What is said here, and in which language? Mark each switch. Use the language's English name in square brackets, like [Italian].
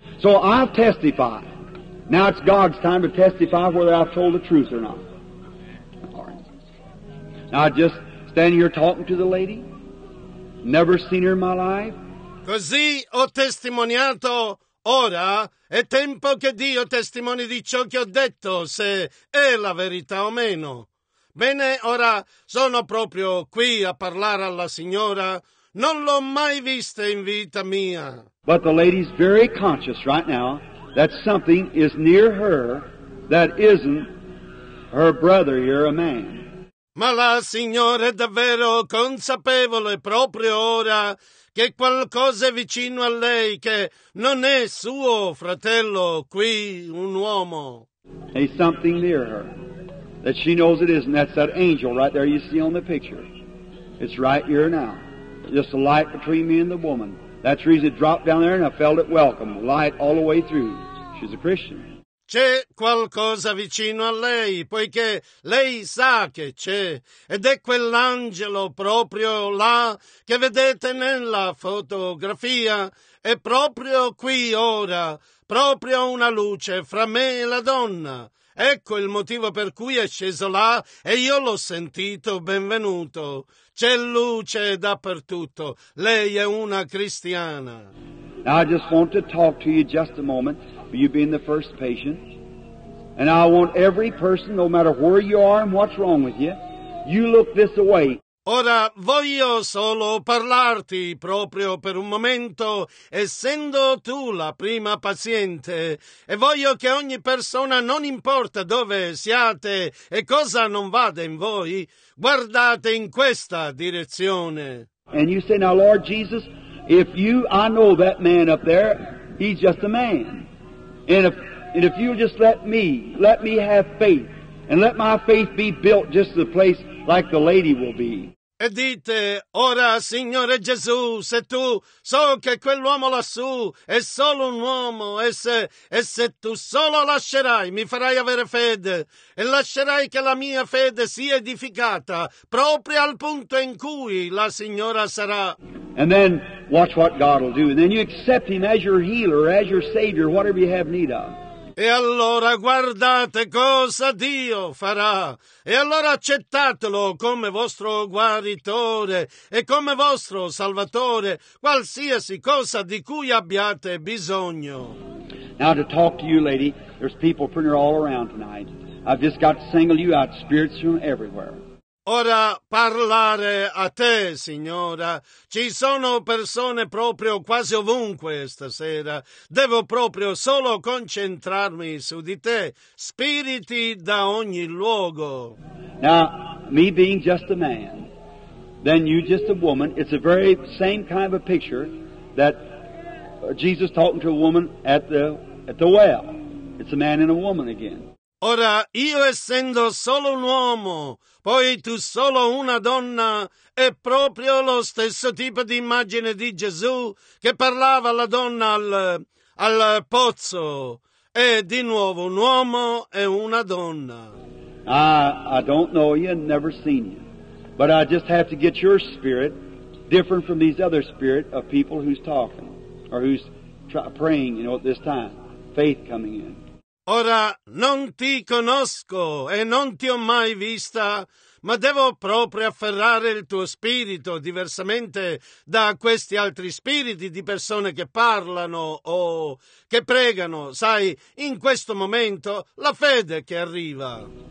[English] So I'll testify. Now it's God's time to testify whether I've told the truth or not. All right. Now I just stand here talking to the lady. Never seen her in my life. [Italian] Così ho testimoniato. Ora è tempo che Dio testimoni di ciò che ho detto, se è la verità o meno. Bene, ora sono proprio qui a parlare alla signora. Non l'ho mai vista in vita mia. [English] But the lady's very conscious right now that something is near her that isn't her brother here, a man. [Italian] Ma la signora è davvero consapevole proprio ora che qualcosa è vicino a lei che non è suo fratello qui, un uomo. [English] There's something near her that she knows it isn't. That's that angel right there you see on the picture. It's right here now. Just a light between me and the woman. That's the reason it dropped down there and I felt it welcome. Light all the way through. She's a Christian. [Italian] C'è qualcosa vicino a lei, poiché lei sa che c'è, ed è quell'angelo proprio là che vedete nella fotografia, è proprio qui ora, proprio una luce fra me e la donna. Ecco il motivo per cui è sceso là e io l'ho sentito benvenuto. C'è luce dappertutto, lei è una cristiana. [English] Now I just want to talk to you just a moment. You being the first patient, and I want every person, no matter where you are and what's wrong with you, you look this way. [Italian] Ora voglio solo parlarti proprio per un momento, essendo tu la prima paziente, e voglio che ogni persona, non importa dove siate e cosa non vada in voi, guardate in questa direzione. [English] And you say, now, Lord Jesus, if you, I know that man up there, he's just a man. And if you'll just let me have faith, and let my faith be built just the place like the lady will be. [Italian] E dite, ora, Signore Gesù, se tu so che quell'uomo lassù è solo un uomo, e se tu solo lascerai, mi farai avere fede, e lascerai che la mia fede sia edificata proprio al punto in cui la signora sarà. [English] And then watch what God will do. And then you accept Him as your healer, as your Savior, whatever you have need of. [Italian] E allora guardate cosa Dio farà. E allora accettatelo come vostro guaritore e come vostro salvatore, qualsiasi cosa di cui abbiate bisogno. [English] Now to talk to you, lady, there's people printed all around tonight. I've just got to single you out, spirits from everywhere. [Italian] Ora parlare a te, signora. Ci sono persone proprio quasi ovunque stasera. Devo proprio solo concentrarmi su di te. Spiriti da ogni luogo. [English] Now, me being just a man, then you just a woman, it's the very same kind of a picture that Jesus talking to a woman at the well. It's a man and a woman again. [Italian] Ora, io essendo solo un uomo, poi tu solo una donna, è proprio lo stesso tipo di immagine di Gesù che parlava alla donna al pozzo. È di nuovo un uomo e una donna. [English] I don't know you, never seen you, but I just have to get your spirit different from these other spirit of people who's talking or who's praying, you know, at this time, faith coming in. [Italian] Ora non ti conosco e non ti ho mai vista, ma devo proprio afferrare il tuo spirito diversamente da questi altri spiriti di persone che parlano o che pregano. Sai, in questo momento la fede che arriva.